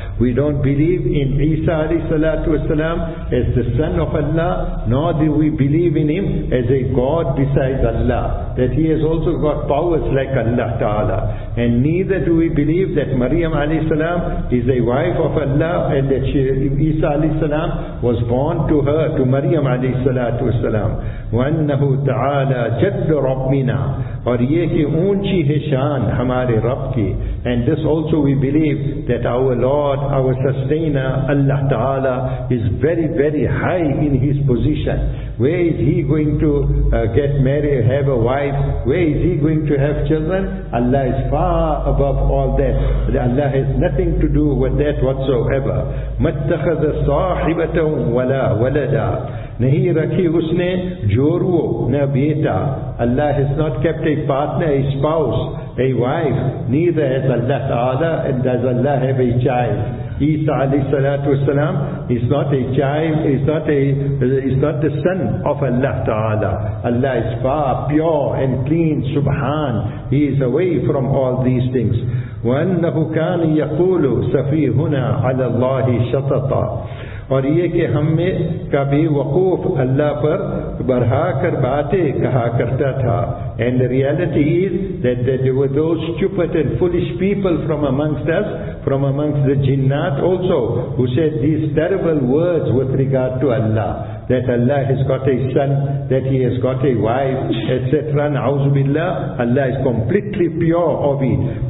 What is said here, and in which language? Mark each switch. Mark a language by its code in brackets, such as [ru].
[en] We don't believe in Isa alayhi salatu wasalam as the son of Allah, nor do we believe in him as a god besides Allah, that he has also got powers like Allah Ta'ala. And neither do we believe that Maryam alayhi salam is a wife of Allah, and that Isa alayhi salam was born to her, to Maryam alayhi salatu wasalam. [ar] وَأَنَّهُ تَعَالَى جَدُّ رَبِّنَا, [ur] اور یہ کہ اونچی ہے شان ہمارے رب کی. [en] And this also we believe that our Lord, our sustainer, Allah Ta'ala is very, very high in his position. Where is he going to get married, have a wife? Where is he going to have children? Allah is far above all that. Allah has nothing to do with that whatsoever. [ar] مَتَّخَذَ صَاحِبَةً وَلَا وَلَدًا, [ur] نہیں رکھی اس نے جوڑو نہ بیٹا. [en] Allah has not kept a partner, a spouse, a wife, neither has Allah Ta'ala, and does Allah have a child. Isa alayhi salatu wasalam is not a child, is not the son of Allah Ta'ala. Allah is far, pure and clean, subhan. He is away from all these things. [ar] وَأَنَّهُ كَانِ يَقُولُ سَفِيهُنَا عَلَى اللَّهِ شَطَطًا, [ur] اور یہ کہ ہم میں کبھی وقوف اللہ پر برہا کر باتیں کہا کرتا تھا. [en] And the reality is that there were those stupid and foolish people from amongst us, from amongst the jinnat also, who said these terrible words with regard to Allah, that Allah has got a son, that he has got a wife, etc. Na'uzu billah, Allah is completely pure of it.